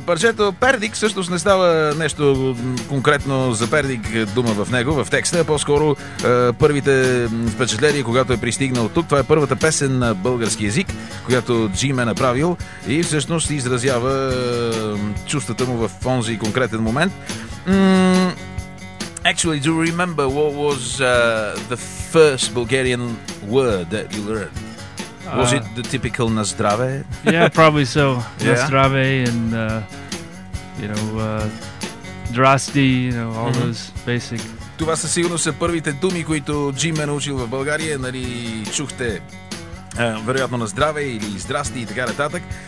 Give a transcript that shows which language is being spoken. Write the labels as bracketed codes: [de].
[bg] Парчето Пердик всъщност не става нещо конкретно за Пердик дума в него, в текста, а по-скоро първите впечатления, когато е пристигнал тук. Това е първата песен на български език, която Джим е направил и всъщност изразява чувствата му в онзи конкретен момент. [en] Actually, do you remember what was the first Bulgarian word that you learned? Was it the typical [bg] na zdrave? [en] Yeah, probably so. Yeah. [bg] Na zdrave [en] and, you know, [bg] drasti, [en] you know, all those basic. [bg] Това със сигурност са първите думи, които Джим е научил в България. Нали, чухте вероятно на здраве или здрасти и така нататък.